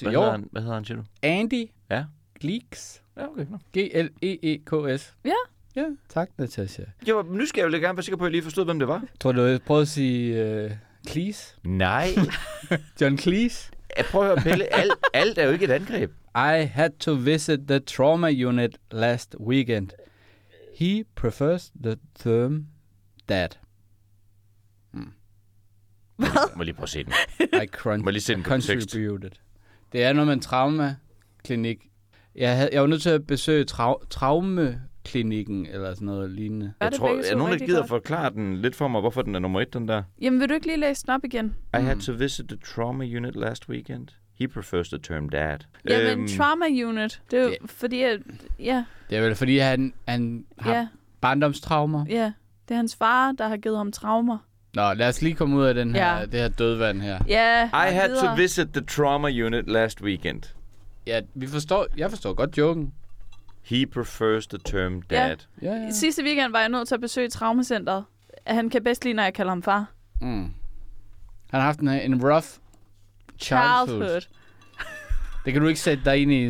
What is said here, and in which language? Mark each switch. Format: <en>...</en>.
<da>hvad hedder, i år. Hvad hedder han, siger du? Andy. Ja. Gleeks. Ja, okay. No. Gleeks. Ja. Ja, tak, Natasha. Jo, nu skal jeg jo gerne være sikker på, at jeg lige forstod, hvem det var. Tror du, jeg prøvede at sige Cleese? Nej. John Cleese? Jeg prøver at høre, Pelle. Alt er jo ikke et angreb.</da> <en>I had to visit the trauma unit last weekend. He prefers the term dad.</en> <da>Hvad? Må lige prøve at se den.</da> <en>I crunch.</en> <da>Må lige se den på tekst. Det er noget med en traumaklinik. Jeg var nødt til at besøge traumeklinikken eller sådan noget lignende. Jeg tror, er nogen, der gider godt forklare den lidt for mig, hvorfor den er nummer et, den der? Jamen, vil du ikke lige læse den op igen?</da> <en>I had to visit the trauma unit last weekend. He prefers the term dad.</en> <da>Jamen, trauma unit. Det er jo fordi, at... Ja. Det er vel fordi, han har barndomstraumer. Ja. Det er hans far, der har givet ham traumer. Nå, lad os lige komme ud af den her, det her dødvand her. Ja.</da> <en>I had to visit the trauma unit last weekend.</en> <da>Ja, jeg forstår godt joken.</da> <en>He prefers the term dad.</en> <da>Ja. Sidste weekend var jeg nødt til at besøge traumacenteret. Han kan bedst lide, når jeg kalder ham far. Mm. Han har haft en rough... Childhood. Det kan du ikke sætte dig ind i.</da>